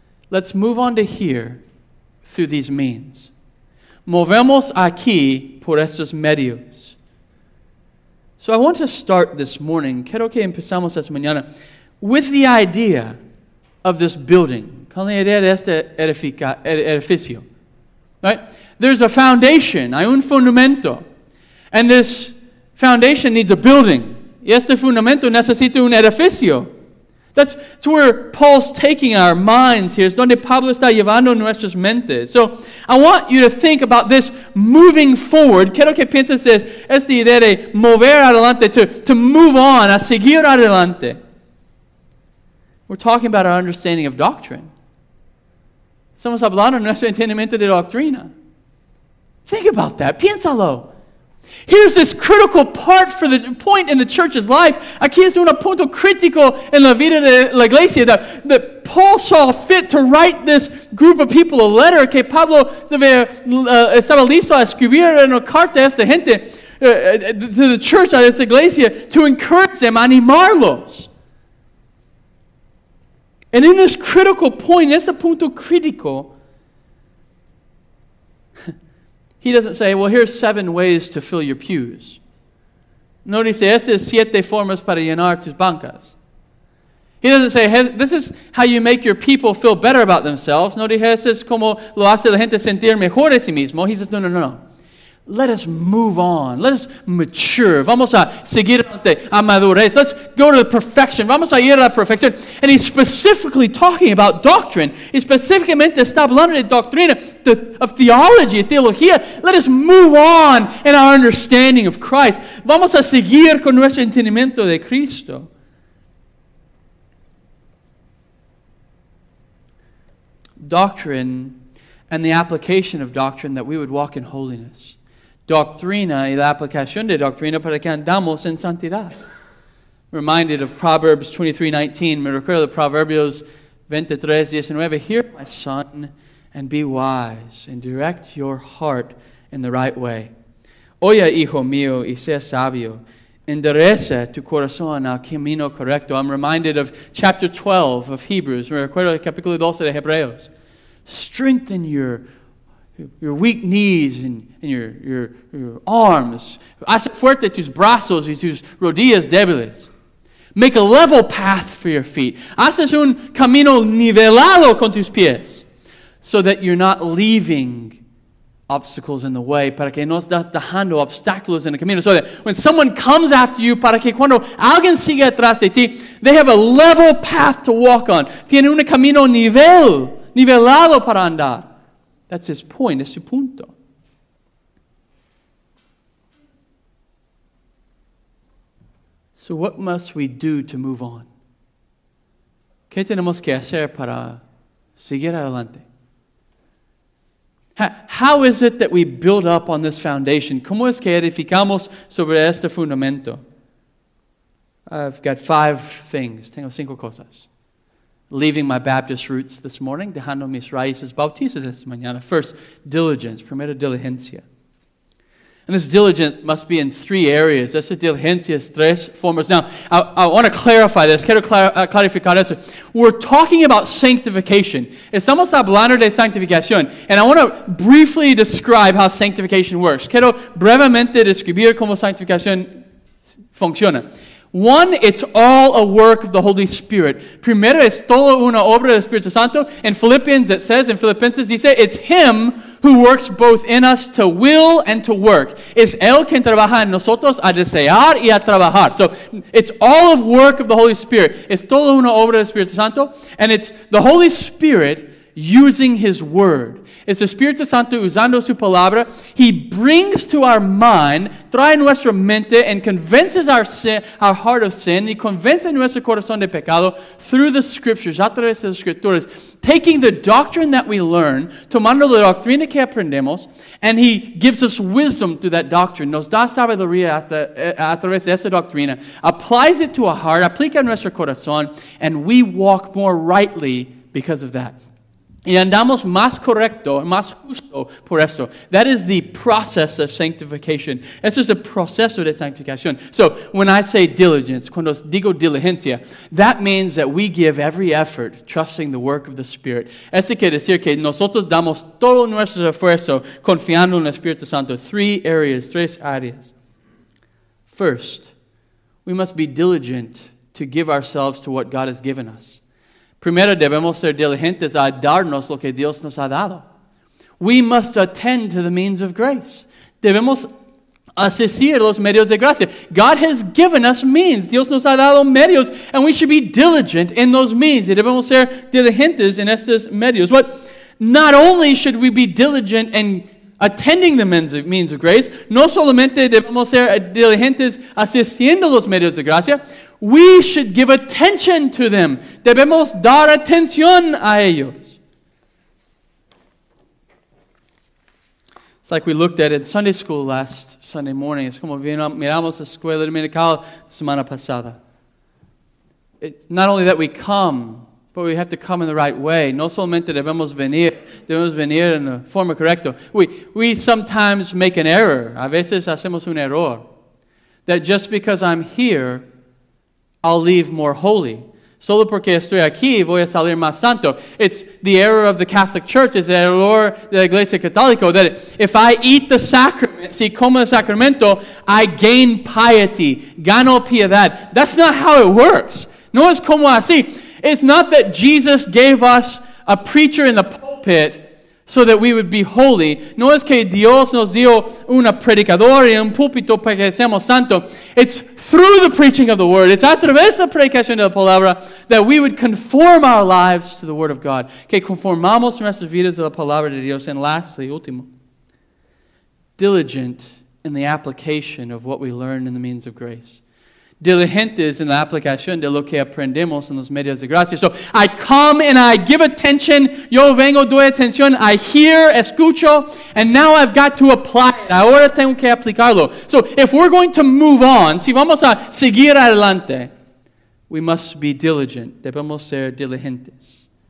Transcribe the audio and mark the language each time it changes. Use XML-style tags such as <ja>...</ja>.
<en>Let's move on to here through these means.</en> <es>Movemos aquí por estos medios.</es> <en>So I want to start this morning,</en> <es>quiero que empezamos esta mañana,</es> <en>with the idea of this building.</en> <es>Con la idea de este edificio.</es> <en>Right? There's a foundation,</en> <es>hay un fundamento.</es> <en>And this foundation needs a building.</en> <es>Y este fundamento necesita un edificio.</es> <en>That's where Paul's taking our minds here.</en> <es>Es donde Pablo está llevando nuestras mentes.</es> <en>So, I want you to think about this moving forward.</en> <es>Quiero que pienses esta idea de mover adelante,</es> <en>to move on,</en> <es>a seguir adelante.</es> <en>We're talking about our understanding of doctrine.</en> <es>Estamos hablando de nuestro entendimiento de doctrina.</es> <en>Think about that.</en> <es>Piénsalo.</es> <en>Here's this critical part for the point in the church's life.</en> <es>Aquí es un punto crítico en la vida de la iglesia</es> <en>that Paul saw fit to write this group of people a letter</en> <es>que Pablo estaba listo a escribir una carta a esta gente</es> <en>to the church,</en> <es>a esta iglesia,</es> <en>to encourage them,</en> <es>animarlos.</es> <en>And in this critical point,</en> <es>ese punto crítico,</es> <en>he doesn't say, well, here's seven ways to fill your pews. No, he says,</en> <es>estas siete formas para llenar tus bancas.</es> <en>He doesn't say, hey, this is how you make your people feel better about themselves.</en> <es>No,</es> <en>he says,</en> <es>esto es como lo hace la gente sentir mejor de sí mismo.</es> <en>He says, no. Let us move on. Let us mature.</en> <es>Vamos a seguir adelante a madurez.</es> <en>Let's go to the perfection.</en> <es>Vamos a ir a la perfección.</es> <en>And he's specifically talking about doctrine. He's</en> <es>specificamente está hablando de doctrina,</es> <en>of theology, teología. Let us move on in our understanding of Christ.</en> <es>Vamos a seguir con nuestro entendimiento de Cristo.</es> <en>Doctrine and the application of doctrine that we would walk in holiness.</en> <es>Doctrina y la aplicación de doctrina para que andamos en santidad.</es> <en>Reminded of Proverbs 23:19,</en> <es>me recuerdo de Proverbios 23:19,</es> <en>hear my son and be wise and direct your heart in the right way.</en> <es>Oye, hijo mío, y sea sabio. Endereza tu corazón al camino correcto.</es> <en>I'm reminded of chapter 12 of Hebrews,</en> <es>me recuerdo del capítulo 12 de Hebreos.</es> <en>Strengthen your weak knees and your arms.</en> <es>Hace fuerte tus brazos y tus rodillas débiles.</es> <en>Make a level path for your feet.</en> <es>Haces un camino nivelado con tus pies</es> <en>so that you're not leaving obstacles in the way</en> <es>para que no estás dejando obstáculos en el camino.</es> <en>So that when someone comes after you,</en> <es>para que cuando alguien sigue atrás de ti,</es> <en>they have a level path to walk on.</en> <es>Tiene un camino nivelado para andar.</es> <en>That's his point,</en> <es>es su punto.</es> <en>So what must we do to move on?</en> <es>¿Qué tenemos que hacer para seguir adelante?</es> <en>How is it that we build up on this foundation?</en> <es>¿Cómo es que edificamos sobre este fundamento?</es> <en>I've got five things.</en> <es>Tengo cinco cosas.</es> <en>Leaving my Baptist roots this morning,</en> <es>dejando mis raíces bautistas esta mañana.</es> <en>First, diligence,</en> <es>primero diligencia.</es> <en>And this diligence must be in three areas.</en> <es>Esa diligencia es tres formas.</es> <en>Now, I want to clarify this.</en> <es>Quiero clarificar eso.</es> <en>We're talking about sanctification.</en> <es>Estamos hablando de sanctificación.</es> <en>And I want to briefly describe how sanctification works.</en> <es>Quiero brevemente describir cómo sanctificación funciona.</es> <en>One, it's all a work of the Holy Spirit.</en> <es>Primero, es todo una obra del Espíritu Santo.</es> <en>In Philippians, it says, in</en> <es>Filipenses, dice,</es> <en>it's Him who works both in us to will and to work.</en> <es>Es Él quien trabaja en nosotros a desear y a trabajar.</es> <en>So, it's all a work of the Holy Spirit.</en> <es>Es todo una obra del Espíritu Santo.</es> <en>And it's the Holy Spirit using His Word.</en> <es>Es el Espíritu Santo usando su palabra.</es> <en>He brings to our mind,</en> <es>trae nuestra mente,</es> <en>and convinces our heart of sin.</en> <es>Y convence nuestro corazón de pecado</es> <en>through the Scriptures,</en> <es>a través de las Escrituras.</es> <en>Taking the doctrine that we learn,</en> <es>tomando la doctrina que aprendemos,</es> <en>and He gives us wisdom through that doctrine.</en> <es>Nos da sabiduría a través de esa doctrina.</es> <en>Applies it to our heart,</en> <es>aplica en nuestro corazón,</es> <en>and we walk more rightly because of that.</en> <es>Y andamos más correcto, más justo por esto.</es> <en>That is the process of sanctification.</en> <es>Eso es el proceso de sanctificación.</es> <en>So, when I say diligence,</en> <es>cuando digo diligencia,</es> <en>that means that we give every effort trusting the work of the Spirit.</en> <es>Eso quiere decir que nosotros damos todo nuestro esfuerzo confiando en el Espíritu Santo. Tres áreas.</es> <en>First, we must be diligent to give ourselves to what God has given us.</en> <es>Primero, debemos ser diligentes a darnos lo que Dios nos ha dado.</es> <en>We must attend to the means of grace.</en> <es>Debemos asistir a los medios de gracia.</es> <en>God has given us means.</en> <es>Dios nos ha dado medios.</es> <en>And we should be diligent in those means.</en> <es>Y debemos ser diligentes en estos medios.</es> <en>But not only should we be diligent in attending the means of grace,</en> <es>no solamente debemos ser diligentes asistiendo los medios de gracia,</es> <en>we should give attention to them.</en> <es>Debemos dar atención a ellos.</es> <en>It's like we looked at it in Sunday school last Sunday morning.</en> <es>Es como miramos la escuela dominical semana pasada.</es> <en>It's not only that we come, but we have to come in the right way.</en> <es>No solamente debemos venir en la forma correcta.</es> <en>We sometimes make an error.</en> <es>A veces hacemos un error.</es> <en>That just because I'm here, I'll leave more holy.</en> <es>Solo porque estoy aquí, voy a salir más santo.</es> <en>It's the error of the Catholic Church. It's the error</en> <es>de la Iglesia Católica.</es> <en>That if I eat the sacrament,</en> <es>si como el sacramento,</es> <en>I gain piety.</en> <es>Gano piedad.</es> <en>That's not how it works.</en> <es>No es como así.</es> <en>It's not that Jesus gave us a preacher in the pulpit so that we would be holy.</en> <es>No es que Dios nos dio una predicadora y un púlpito para que seamos santo.</es> <en>It's through the preaching of the Word. It's</en> <es>a través de la predicación de la palabra</es> <en>that we would conform our lives to the Word of God.</en> <es>Que conformamos nuestras vidas a la palabra de Dios.</es> <en>And lastly, último, diligent in the application of what we learn in the means of grace.</en> <es>Diligentes en la aplicación de lo que aprendemos en los medios de gracia.</es> <en>So, I come and I give attention.</en> <es>Yo vengo, doy atención.</es> <en>I hear, escucho. And now I've got to apply it.</en> <es>Ahora tengo que aplicarlo.</es> <en>So, if we're going to move on,</en> <es>si vamos a seguir adelante,</es> <en>we must be diligent.</en> <es>Debemos ser diligentes.</es>